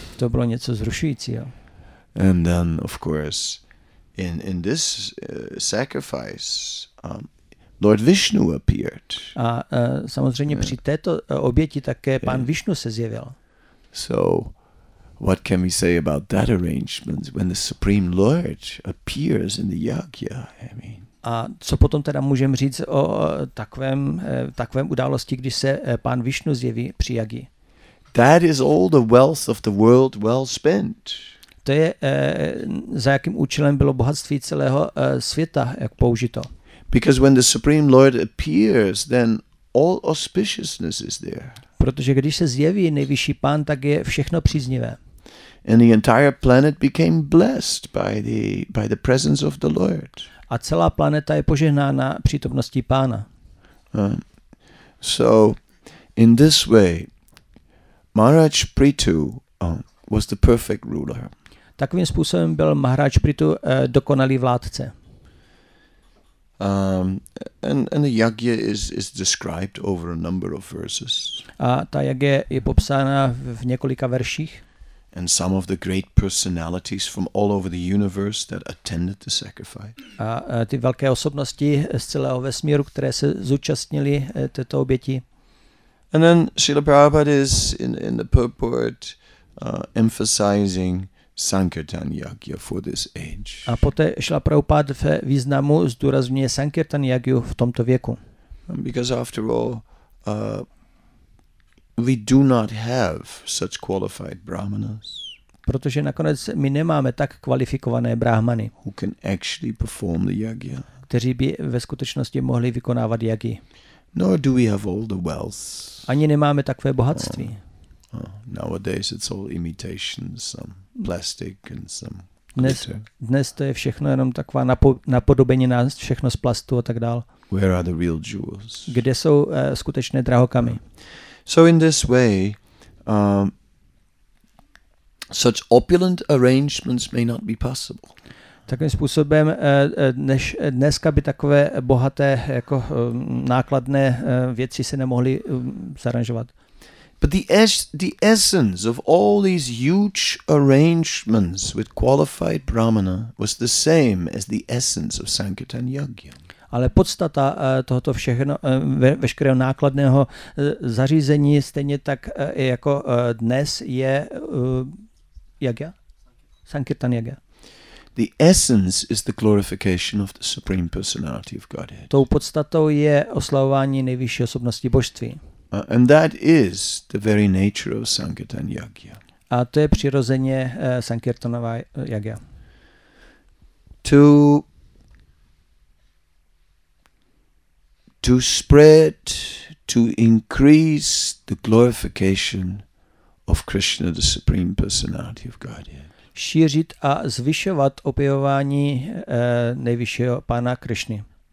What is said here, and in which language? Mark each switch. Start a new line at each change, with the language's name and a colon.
Czech: To bylo něco zrušujícího.
English: And then of course in this sacrifice Lord Vishnu appeared.
Czech: A samozřejmě při této oběti také pán Vishnu se zjevil.
English: So what can we say about that arrangement when the Supreme Lord appears in the yagya? I mean.
Czech: A co potom teda můžeme říct o takovém události, když se pán Vishnu zjeví při jagi?
English: That is all the wealth of the world well spent.
Czech: To je za jakým účelem bylo bohatství celého světa jak použito.
English: Because when the Supreme Lord appears, then all auspiciousness is there.
Czech: Protože když se zjeví nejvyšší pán, tak je všechno příznivé.
English: And the entire planet became blessed by the presence of the Lord.
Czech: A celá planeta je požehnána přítomností pána.
English: So in this way Maharaj Prithu was the perfect ruler.
Czech: Takovým způsobem byl Maharaj Prithu dokonalý vládce.
English: And the yagya is described over a number of verses.
Czech: A ta yagya je popsána v několika verších.
English: And some of the great personalities from all over the universe that attended the sacrifice.
Czech: A ty velké osobnosti z celého vesmíru, které se zúčastnily této oběti.
English: And then Srila Prabhupada is in the purport emphasizing Sankirtan Yagya for this age.
Czech: A poté Srila Prabhupada ve významu zdůrazňuje Sankirtan Yagyu v tomto věku.
English: And because after all, we do not have such qualified brahmanas.
Czech: Protože nakonec my nemáme tak kvalifikované brahmany,
English: who can actually perform the yagya.
Czech: Kteří by ve skutečnosti mohli vykonávat yagi.
English: Nor do we have all the wealth.
Czech: Ani nemáme takové bohatství.
English: Nowadays it's all imitations, some plastic and some glitter.
Czech: Dnes to je všechno jenom taková napodobení na všechno z plastu a tak dál.
English: Where are the real jewels?
Czech: Kde jsou skutečné drahokamy?
English: So in this way, such opulent arrangements may not be possible.
Czech: Takovým způsobem dneska by takové bohaté jako nákladné věci se nemohly zaranžovat.
English: But the essence of all these huge arrangements with qualified brahmana was the same as the essence of Sankirtan Yagya.
Czech: Ale podstata tohoto všechno, veškerého nákladného zařízení stejně tak jako dnes je yagya?
English: Sankirtan Yagya. The essence is the glorification of the Supreme Personality of Godhead.
Czech: Tou podstatou je oslavování nejvyšší osobnosti božství.
English: And that is the very nature of Sankirtan Yagya.
Czech: A to je přirozeně Sankirtanová yagya.
English: To spread, to increase the glorification of Krishna, the Supreme Personality of Godhead.
Czech: Šířit a zvyšovat objevování nejvyššího pána Krishny.